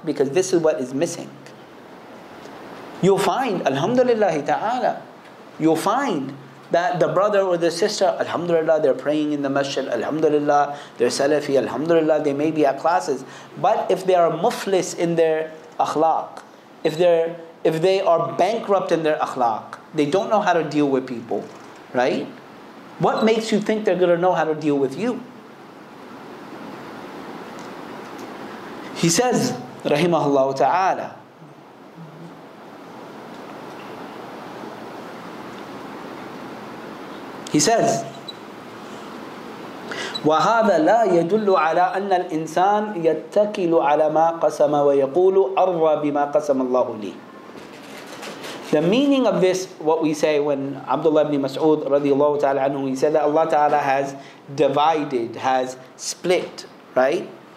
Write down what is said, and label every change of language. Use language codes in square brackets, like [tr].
[en] Because this is what is missing. You'll find, alhamdulillah ta'ala, you'll find that the brother or the sister, alhamdulillah, they're praying in the masjid, alhamdulillah, they're salafi, alhamdulillah, they may be at classes. But if they are muflis in their akhlaq, if they are bankrupt in their akhlaq, they don't know how to deal with people, right? What makes you think they're going to know how to deal with you? He says, rahimahullah ta'ala, he says, [ar] وَهَذَا لَا يَدُلُّ عَلَىٰ أَنَّ الْإِنسَانِ يَتَّكِلُ عَلَىٰ مَا قَسَمَ وَيَقُولُ أَرَّى بِمَا قَسَمَ اللَّهُ لِي. [en] The meaning of this, what we say when Abdullah ibn Mas'ud radiallahu ta'ala anhu, he said that Allah ta'ala has divided, has split, right?